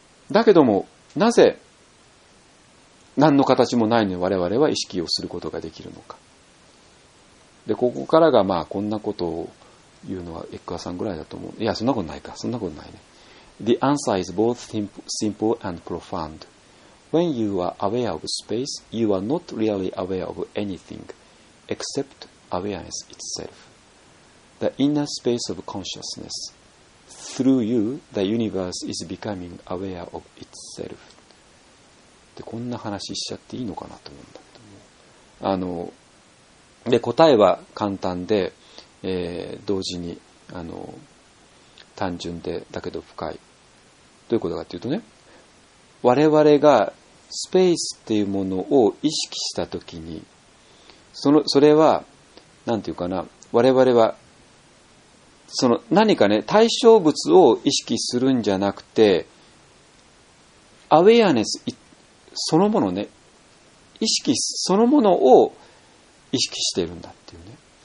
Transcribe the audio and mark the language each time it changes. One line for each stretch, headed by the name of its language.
Japanese: だけども、なぜ、何の形もないのに我々は意識をすることができるのか。で、ここからがまあこんなことを言うのはエッカーさんぐらいだと思う。いや、そんなことないか。そんなことないね。
English: The answer is both simple and profound. When you are aware of space, you are not really aware of anything except awareness itself. The inner space of consciousness. Through you, the universe is becoming aware of itself.
Japanese: でこんな話しちゃっていいのかなと思うんだけども、あので、答えは簡単で、同時にあの単純でだけど深い。どういうことかというとね、我々がスペースっていうものを意識したときに、それはなんていうかな、我々はその何かね、対象物を意識するんじゃなくて、アウェアネスそのものね、意識そのものを意識しているんだっていうね。